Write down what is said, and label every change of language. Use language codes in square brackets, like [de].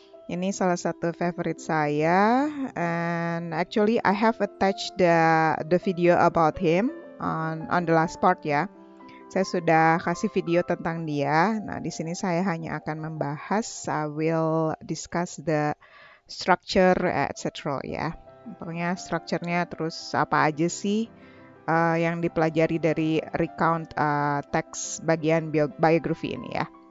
[id] Ini salah satu favorite saya. [en] And actually, I have attached the video about him on the last part, ya. [id] Saya sudah kasih video tentang dia. Nah, di sini saya hanya akan membahas. [en] I will discuss the structure, etc., ya. [id] Pokoknya strukturnya terus apa aja sih yang dipelajari dari recount teks bagian biografi ini ya.